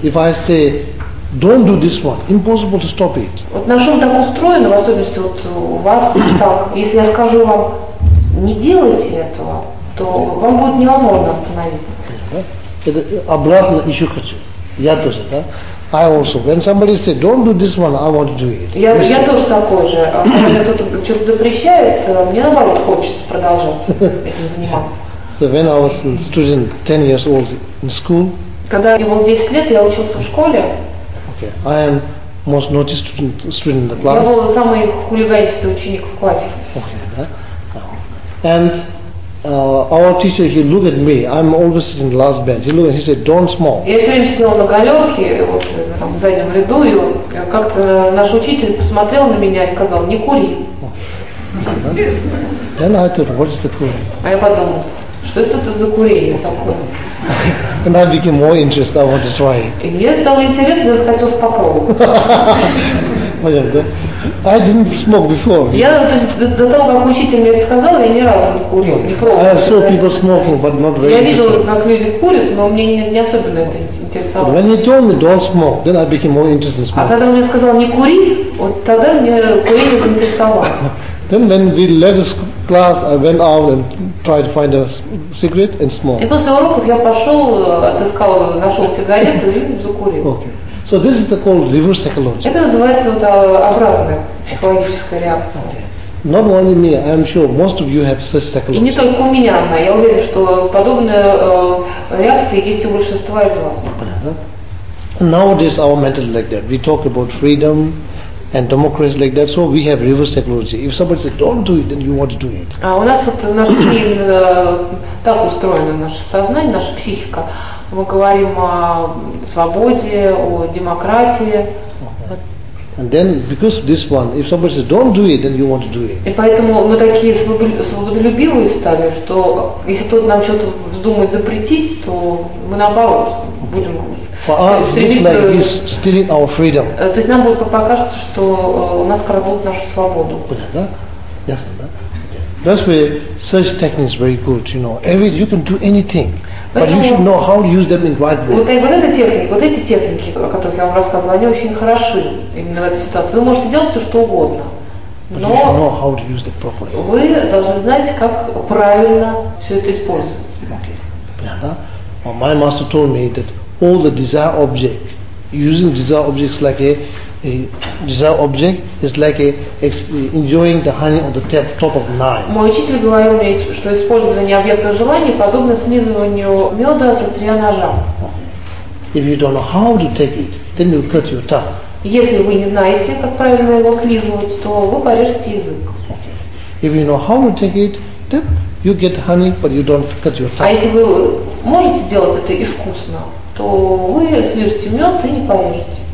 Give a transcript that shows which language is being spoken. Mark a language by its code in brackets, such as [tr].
[en] If I say, don't do this one, impossible to stop it. [ru] Вот наш ум так устроен, в особенности вот у вас так. Если я скажу вам, не делайте этого, то вам будет невозможно остановиться. Это обратно еще хочу. Я тоже, да? [en] I also. When somebody says, don't do this one, I want to do it. [ru] Я тоже такой же. Когда кто-то что-то запрещает, мне наоборот хочется продолжать этим заниматься. [en] So when I was a student 10 years old in school. [ru] Когда мне было 10 лет, я учился в школе. [en] Okay. I am most naughty student in the class. [ru] Я был самый хулиганистый ученик в классе. [en] Okay. And our teacher, he looked at me. I'm always in the last bench. He looked and he said, "Don't smoke." [ru] Я все время сидел на галерке, вот там в заднем ряду, и как-то наш учитель посмотрел на меня и сказал, "Не кури." [en] Then I thought, "What is the curing?" [ru] А я подумал, что это за курение такое. [en] And I became more interested. I want to try it. [ru] И мне стало интересно, я хотел попробовать. Понятно. [en] I didn't smoke before. [ru] Я то есть до того, как учитель мне это сказал, я ни разу не курил, не пробовал. [en] I have seen people smoking, but not very. [ru] Я видел, как люди курят, но мне не особенно это интересовало. [en] When he told me don't smoke, then I became more interested in smoking. [ru] А когда он мне сказал не кури, вот тогда мне курение заинтересовало. [en] Then when we left class, I went out and tried to find a cigarette and smoke. [ru] И после уроков я пошел, отыскал, нашел сигарету и закурил. [en] Okay. So this is called reverse psychology. [ru] Это называется вот обратная психологическая реакция. [en] Not only me, I am sure most of you have such psychology. [ru] И не только у меня одна. Я уверен, что подобная реакция есть у большинства из вас. [en] Uh-huh. Nowadays our mental is like that. We talk about freedom and democracy like that. So we have reverse psychology. If somebody says don't do it, then you want to do it. [ru] А у нас вот наше именно так устроено наше сознание, наша психика. Мы говорим о свободе, о демократии. [en] And then, because this one, if somebody says don't do it, then you want to do it. [ru] И поэтому мы такие свободолюбивые стали, что если кто-то нам что-то вздумает запретить, то мы наоборот будем. [en] For us, it's like he's stealing our freedom. [ru] То есть нам будет покажется, что у нас крадут нашу свободу. Понятно? Ясно, да? [en] That's why such technique is very good, you know. Every you can do anything. But you should know how to use them in right way. [ru] Вот эти техники, о которых я вам рассказывала, они очень хороши именно в этой ситуации. Вы можете делать все, что угодно. Но вы должны знать, как правильно все это использовать. [en] Okay. Yeah, well, my master told me that all the desire object, using desire objects like a desire object is like enjoying the honey on the top of nine. [ru] Мой учитель говорил мне, что использование объекта желаний подобно слизыванию меда с острия ножа. [en] If you don't know how to take it, then you cut your tongue. [ru] Если вы не знаете, как правильно его слизывать, то вы порежете язык. [en] Okay. If you know how to take it, then you get honey, but you don't cut your tongue. [ru] А если вы можете сделать это искусно, то вы слижете мед и не порежете.